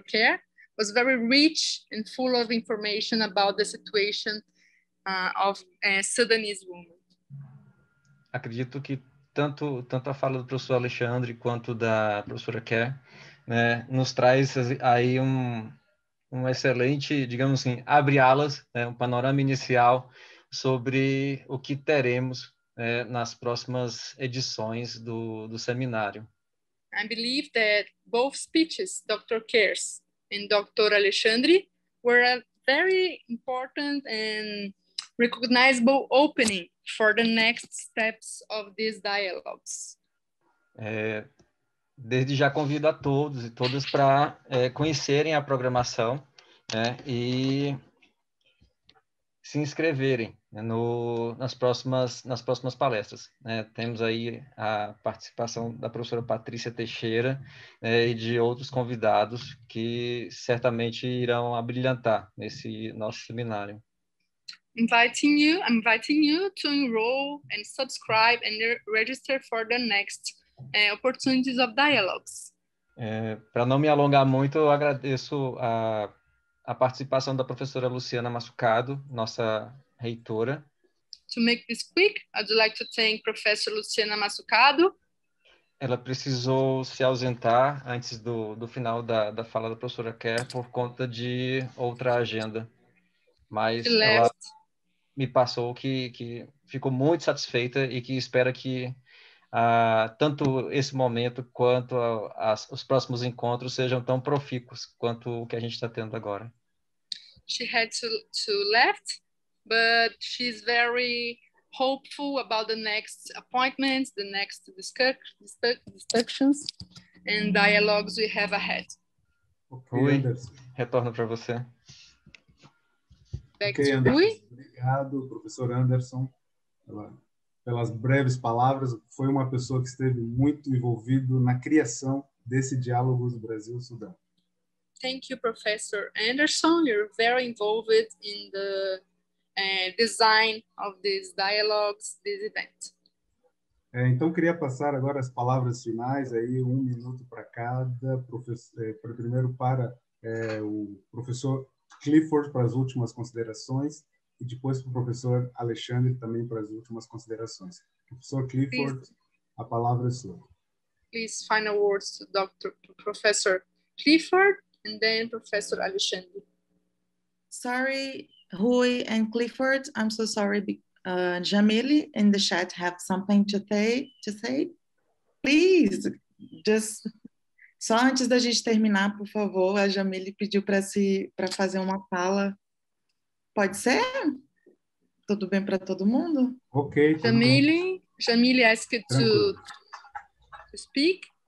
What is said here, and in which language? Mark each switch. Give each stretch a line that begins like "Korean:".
English: Kerr was very rich and full of information about the situation of Sudanese women.
Portuguese: Acredito que tanto a fala do professor Alexandre quanto da professora Kerr, né, nos traz aí um excelente, digamos assim, abre alas, né, um panorama inicial sobre o que teremos, né, nas próximas edições do seminário.
English: I believe that both speeches, Dr. Kerr's and Dr. Alexandre, were a very important and recognizable opening for the next steps of these dialogues.
Portuguese: Desde já convido a todos e todas para conhecerem a programação, né, e se inscreverem, né, nas próximas palestras. Né. Temos aí a participação da professora Patrícia Teixeira, né, e de outros convidados que certamente irão abrilhantar nesse nosso seminário.
English: I'm inviting you to enroll and subscribe and register for the next opportunities of dialogues.
Portuguese: Para não me alongar muito, eu agradeço a participação da professora Luciana Mascado, nossa reitora.
English: To make this quick, I'd like to thank Professor Luciana Mascado.
Portuguese: Ela precisou se ausentar antes do final da fala da professora Kerr por conta de outra agenda. Mas ela me passou que ficou muito satisfeita e que espera que tanto esse momento quanto os próximos encontros sejam tão profícuos quanto o que a gente está tendo agora.
English: She had to left, but she's very hopeful about the next appointments, the next discussions and dialogues we have ahead.
Portuguese: Okay, retorno para você.
English: Back okay, to Anderson. Rui.
Portuguese: Obrigado, professor Anderson. Pelas breves palavras, foi uma pessoa que esteve muito envolvida na criação desse diálogo do Brasil-Sudão.
English: Thank you, Professor Anderson. You're very involved in the design of these dialogues, this event.
Portuguese: Então, queria passar agora as palavras finais, aí um minuto para cada. Primeiro para o professor Clifford, para as últimas considerações. E depois para o professor Alexandre também para as últimas considerações. Professor Clifford, please, a palavra é sua.
English: Please, final words to Professor Clifford and then Professor Alexandre. Sorry, Rui and Clifford. I'm so sorry. Jamile in the chat have something to say. Please, just...
Portuguese: Só antes da gente terminar, por favor, a Jamile pediu para fazer uma fala. Pode ser? Tudo bem para todo mundo? Ok.
English: Jamile asked to speak.